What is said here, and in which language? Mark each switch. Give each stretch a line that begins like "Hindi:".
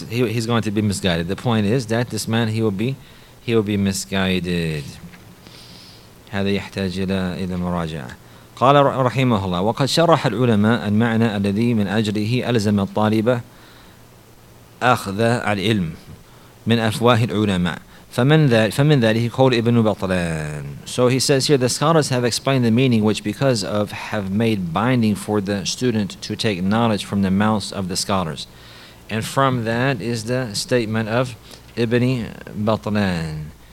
English: He's going to be misguided. The point is that this man he will be misguided.
Arabic: هذا يحتاج إلى مراجعة. قال رحمه الله وقد شرح العلماء المعنى الذي من أجله ألزم الطالب أخذ العلم من أفواه العلماء. فمن ذلك قول ابن بطلان.
English: So he says here the scholars have explained the meaning which because of have made binding for the student to take knowledge from the mouths of the scholars. And from that is the statement of Ibn Batlan.